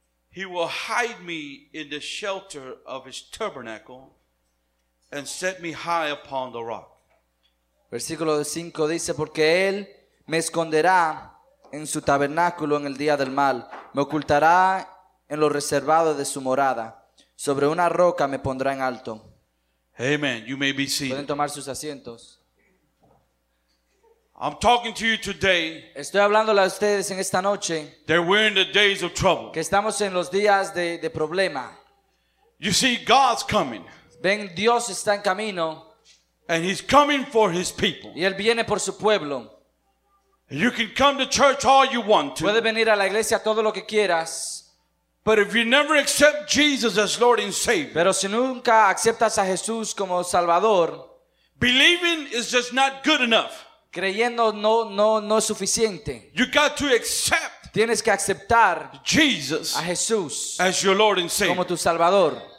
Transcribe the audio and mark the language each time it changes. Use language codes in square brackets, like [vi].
[en] He will hide me in the shelter of his tabernacle. And set me high upon the rock. [es] Versículo 5 dice, porque él me esconderá en su tabernáculo en el día del mal, me ocultará en lo reservado de su morada, sobre una roca me pondrá en alto. [en] Amen. You may be seated. [es] Pueden tomar sus asientos. [en] I'm talking to you today. [es] Estoy hablándole a ustedes en esta noche. [en] That we're in the days of trouble. [es] Que estamos en los días de problema. [en] You see, God's coming. [es] Ven, Dios está en camino. [en] And he's coming for his people. [es] Y él viene por su pueblo. [en] You can come to church all you want to. [es] Puede venir a la iglesia todo lo que quieras. [en] But if you never accept Jesus as Lord and Savior. [es] Pero si nunca aceptas a Jesús como Salvador. [en] Believing is just not good enough. [es] Creyendo no es suficiente. [en] You got to accept. [es] Tienes que aceptar [en] Jesus [es] a Jesús [en] as your Lord and Savior. [es] Como tu Salvador.